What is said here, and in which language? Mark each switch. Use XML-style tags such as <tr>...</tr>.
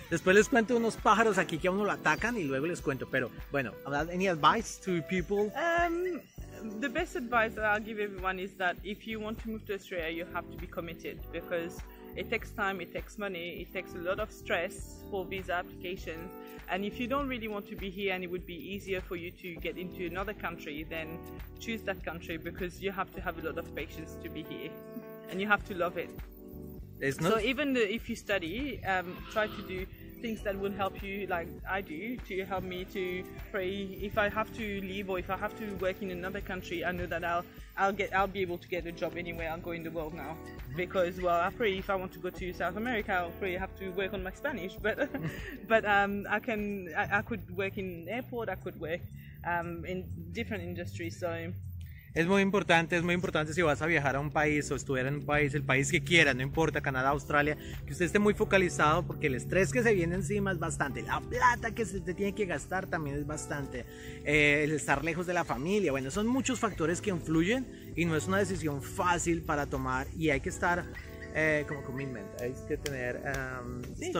<es>después les cuento unos pájaros aquí que a uno lo atacan y luego les cuento. Pero bueno,</es> <en>any advice to people? The best advice that I'll give everyone is that if you want to move to Australia, you have to be committed, because it takes time, it takes money, it takes a lot of stress for visa applications. And if you don't really want to be here and it would be easier for you to get into another country, then choose that country, because you have to have a lot of patience to be here and you have to love it. No, so even if you study, try to do things that will help you, like I do, to help me to pray. If I have to leave or if I have to work in another country, I know that I'll be able to get a job anywhere I'll go in the world now. Because, well, I pray if I want to go to South America, I'll pray I have to work on my Spanish. But I could work in airport, I could work in different industries. So.</en> <es>Es muy importante si vas a viajar a un país o estuviera en un país, el país que quiera, no importa, Canadá, Australia, que usted esté muy focalizado, porque el estrés que se viene encima es bastante, la plata que se tiene que gastar también es bastante, el estar lejos de la familia, bueno, son muchos factores que influyen y no es una decisión fácil para tomar y hay que estar como commitment, hay que tener, sí.</es>